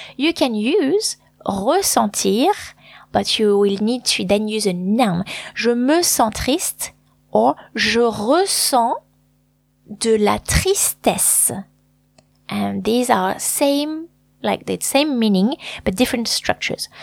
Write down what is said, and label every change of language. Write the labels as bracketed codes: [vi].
[en] You can use ressentir, but you will need to then use a noun. [fr] Je me sens triste or je ressens de la tristesse. [en] And these are same, like the same meaning, but different structures.